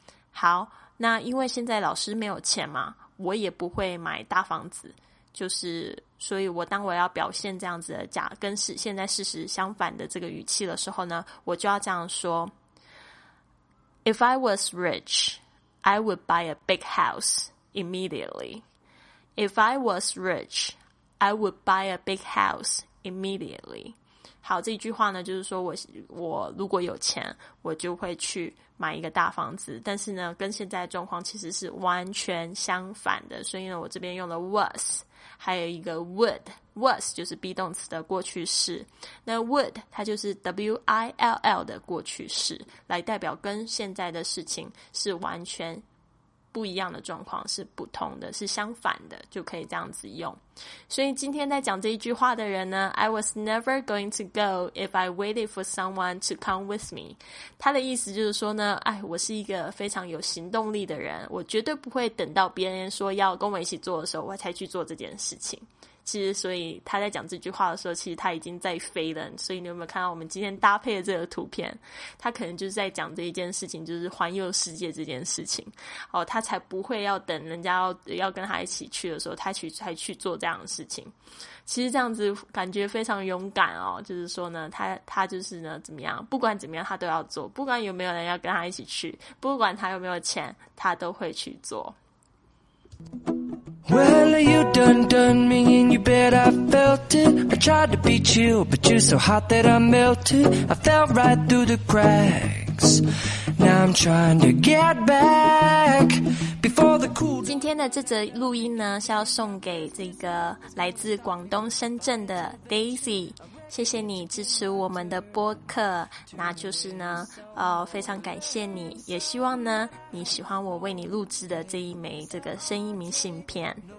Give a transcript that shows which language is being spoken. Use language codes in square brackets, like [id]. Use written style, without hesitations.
[zh] 好，那因为现在老师没有钱嘛，我也不会买大房子，就是所以我当我要表现这样子的假跟现在事实相反的这个语气的时候呢，我就要这样说 [en] If I was rich, I would buy a big house immediately. If I was rich, I would buy a big house immediately. [zh] 好，这句话呢就是说我如果有钱，我就会去买一个大房子，但是呢跟现在的状况其实是完全相反的，所以呢我这边用了 was 还有一个 would。 was 就是 be 动词的过去式，那 would 它就是 will 的过去式，来代表跟现在的事情是完全不一样的状况，是不同的，是相反的，就可以这样子用。所以今天在讲这一句话的人呢， [en] I was never going to go if I waited for someone to come with me. [zh] 他的意思就是说呢，哎，我是一个非常有行动力的人，我绝对不会等到别人说要跟我一起做的时候我才去做这件事情。其实所以他在讲这句话的时候，其实他已经在飞了。所以你有没有看到我们今天搭配的这个图片，他可能就是在讲这一件事情，就是环游世界这件事情哦，他才不会要等人家要跟他一起去的时候才去做这样的事情。其实这样子感觉非常勇敢哦，就是说呢他就是呢怎么样，不管怎么样他都要做，不管有没有人要跟他一起去，不管他有没有钱他都会去做。 [en] Well, you done me and you bet I felt it. I tried to beat you, but you're so hot that I melted. I fell right through the cracks. Now I'm trying to get back before the cool. [zh] 今天的这则录音呢，是要送给这个来自广东深圳的 Daisy。谢谢你支持我们的播客，那就是呢非常感谢你，也希望呢你喜欢我为你录制的这一枚这个声音明信片。